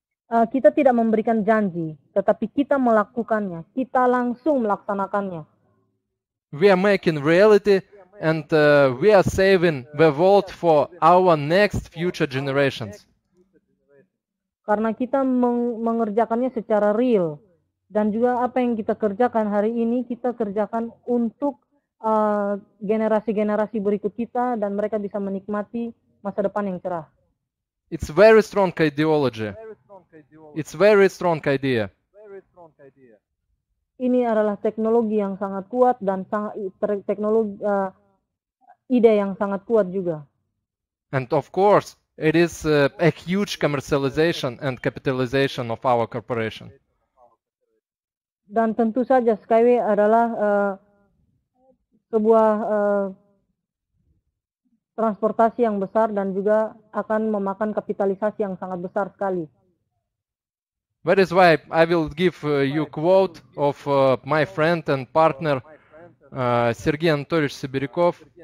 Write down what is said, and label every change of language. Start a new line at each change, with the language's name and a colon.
Indonesian: Kita tidak memberikan janji, tetapi kita melakukannya. Kita langsung melaksanakannya.
English: We are making reality and we are saving the world for our next future generations.
Indonesian: Karena kita mengerjakannya secara real. Dan juga apa yang kita kerjakan hari ini, kita kerjakan untuk generasi-generasi berikut kita dan mereka bisa menikmati masa depan yang cerah.
English: It's very strong ideology. It's very strong idea.
Indonesian: Ini adalah teknologi yang sangat kuat dan teknologi ide yang sangat kuat juga.
English: And of course, it is a huge commercialization and capitalization of our corporation.
Indonesian: Dan tentu saja Skyway adalah sebuah transportasi yang besar dan juga akan memakan kapitalisasi yang sangat besar sekali.
English: That is why I will give you quote of my friend and partner Sergey Anatolyevich Sibirykov.